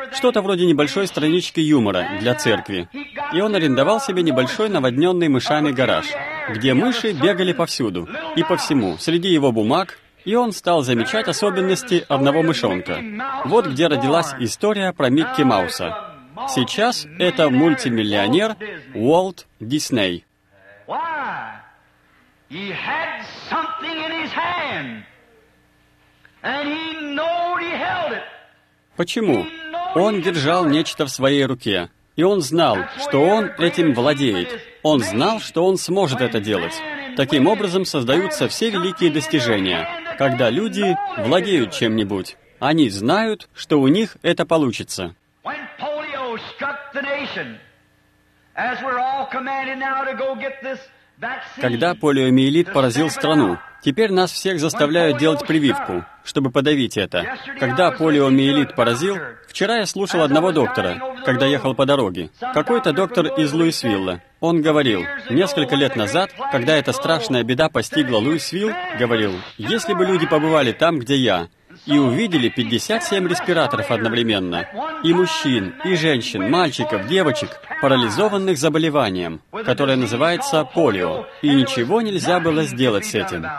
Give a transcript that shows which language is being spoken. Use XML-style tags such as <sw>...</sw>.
<ru>Что-то вроде небольшой странички юмора для церкви. И он арендовал себе небольшой наводненный мышами гараж, где мыши бегали повсюду и по всему, среди его бумаг, и он стал замечать особенности одного мышонка. Вот где родилась история про Микки Мауса. Сейчас это мультимиллионер Уолт Дисней.</ru> <en>He had something in his hand, and he knew he held it.</en> <ru>Почему? Он держал нечто в своей руке, и он знал, что он этим владеет. Он знал, что он сможет это делать. Таким образом создаются все великие достижения, когда люди владеют чем-нибудь. Они знают, что у них это получится.</ru> <en>When polio struck the nation, as we're all commanded now to go get this.</en> <ru>Когда полиомиелит поразил страну, теперь нас всех заставляют делать прививку, чтобы подавить это. Когда полиомиелит поразил, вчера я слушал одного доктора, когда ехал по дороге. Какой-то доктор из Луисвилла. Он говорил, несколько лет назад, когда эта страшная беда постигла Луисвилл, говорил, если бы люди побывали там, где я, и увидели 57 респираторов одновременно, и мужчин, и женщин, мальчиков, девочек, парализованных заболеванием, которое называется полио, и ничего нельзя было сделать с этим.</ru>